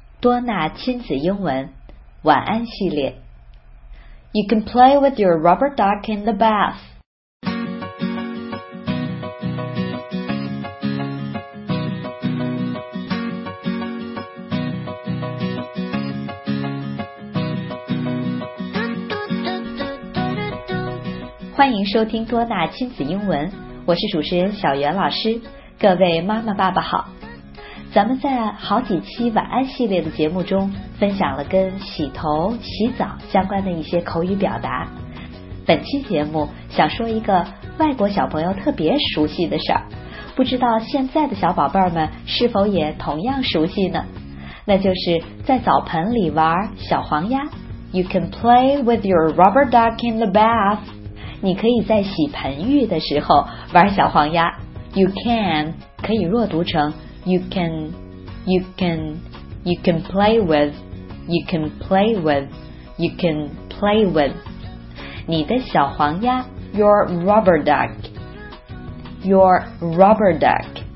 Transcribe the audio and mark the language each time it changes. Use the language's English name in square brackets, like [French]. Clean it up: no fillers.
[Chinese] 多纳亲子英文晚安系列。 [English] You can play with your rubber duck in the bath. [Chinese] 欢迎收听多纳亲子英文，我是主持人小袁老师。各位妈妈爸爸好，咱们在好几期晚安系列的节目中分享了跟洗头洗澡相关的一些口语表达，本期节目想说一个外国小朋友特别熟悉的事儿，不知道现在的小宝贝们是否也同样熟悉呢？那就是在澡盆里玩小黄鸭。 [English] You can play with your rubber duck in the bath. [Chinese] 你可以在洗盆浴的时候玩小黄鸭。 [English] You can [Chinese] 可以弱读成 [English] You can play with [Chinese] 你的小黄鸭 [English] Your rubber duck